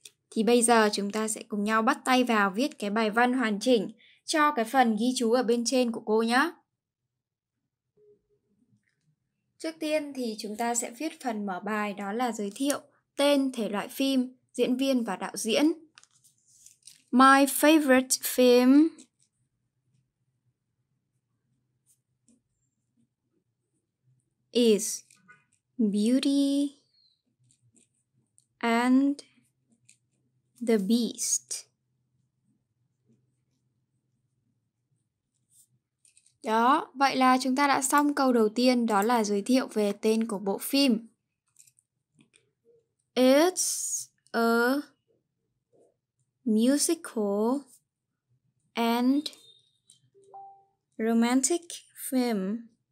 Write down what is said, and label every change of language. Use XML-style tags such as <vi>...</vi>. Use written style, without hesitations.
<vi>Thì bây giờ chúng ta sẽ cùng nhau bắt tay vào viết cái bài văn hoàn chỉnh cho cái phần ghi chú ở bên trên của cô nhé. Trước tiên thì chúng ta sẽ viết phần mở bài, đó là giới thiệu tên, thể loại phim, diễn viên và đạo diễn.</vi> <en>My favorite film is Beauty and the Beast.</en> <vi>Đó, vậy là chúng ta đã xong câu đầu tiên, đó là giới thiệu về tên của bộ phim.</vi> <en>It's a musical and romantic film.</en>